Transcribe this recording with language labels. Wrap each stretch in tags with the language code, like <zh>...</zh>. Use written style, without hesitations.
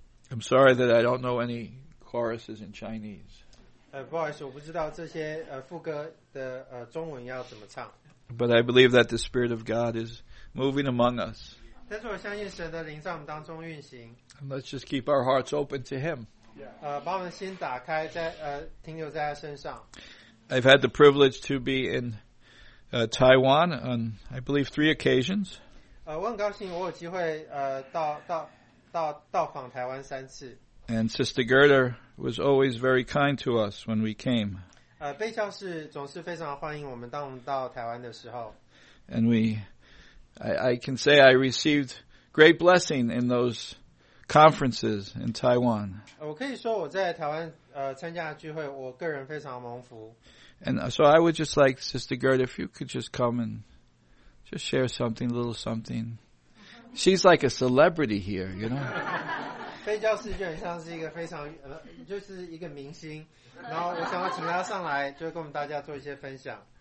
<en>I'm sorry that I don't know any choruses in Chinese.</en> <zh>不好意思,我不知道这些副歌的中文要怎么唱。</zh> <en>But I believe that the Spirit of God is moving among us.</en> <zh>但是我相信神的灵在我们当中运行。</zh> <en>Let's just keep our hearts open to Him. I've had the privilege to be in Taiwan on, I believe, 3 occasions. And Sister Gerda was always very kind to us when we came. And I can say I received great blessing in those conferences in Taiwan.</en> <zh>我可以说我在台湾参加的聚会，我个人非常蒙福。</zh> <en>And so I would just like Sister Gerda, if you could just come and just share something, a little something. She's like a celebrity here, you know.</en> <zh>非教师就很像是一个非常就是一个明星。然后我想要请她上来，就跟我们大家做一些分享。</zh>